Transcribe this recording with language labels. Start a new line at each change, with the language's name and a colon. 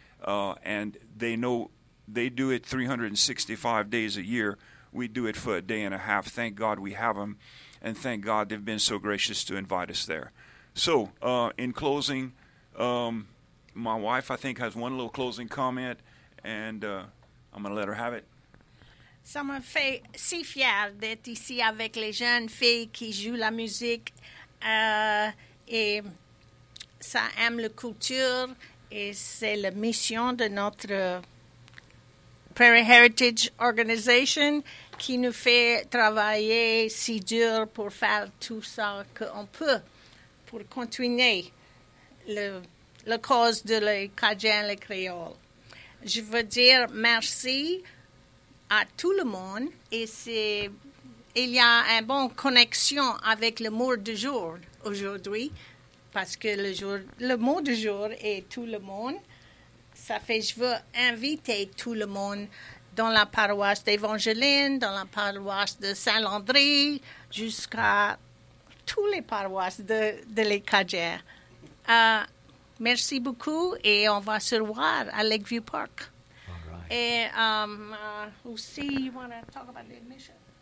English: And they know they do it 365 days a year. We do it for a day and a half. Thank God we have them, and thank God they've been so gracious to invite us there. So, in closing, my wife, I think, has one little closing comment, and I'm going to let her have it.
French: Ça me fait si fière d'être ici avec les jeunes filles qui jouent la musique, et ça aime la culture, et c'est la mission de notre Prairie Heritage Organization qui nous fait travailler si dur pour faire tout ça qu'on peut. Pour continuer la cause de les Cajuns et les Créoles. Je veux dire merci à tout le monde. Et il y a une bonne connexion avec le mot du jour aujourd'hui, parce que le mot du jour est tout le monde. Ça fait je veux inviter tout le monde dans la paroisse d'Évangeline, dans la paroisse de Saint-Landry, jusqu'à toutes les paroisses de les Cajuns. Merci beaucoup, et on va se revoir à Lakeview Park.
English: All right.
French: Et aussi,
English: you want to talk about the admission?